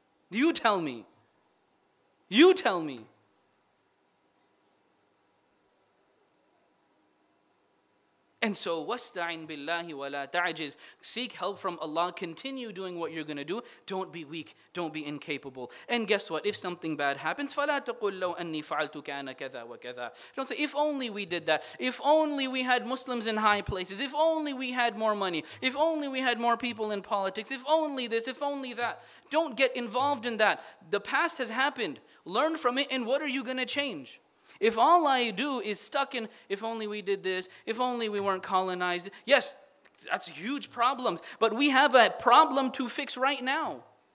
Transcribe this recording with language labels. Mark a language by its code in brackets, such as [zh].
[en] You tell me. You tell me. And so, [ar] wasta'in billahi wa la ta'ajiz. [en] Seek help from Allah. Continue doing what you're going to do. Don't be weak. Don't be incapable. And guess what? If something bad happens, [ar] فَلَا تَقُلْ لَوْ أَنِّي فَعَلْتُ كَانَ كَذَا وَكَذَا. [en] Don't say, if only we did that. If only we had Muslims in high places. If only we had more money. If only we had more people in politics. If only this, if only that. Don't get involved in that. The past has happened. Learn from it, and what are you going to change? If all I do is stuck in, if only we did this, if only we weren't colonized, yes, that's huge problems, but we have a problem to fix right now.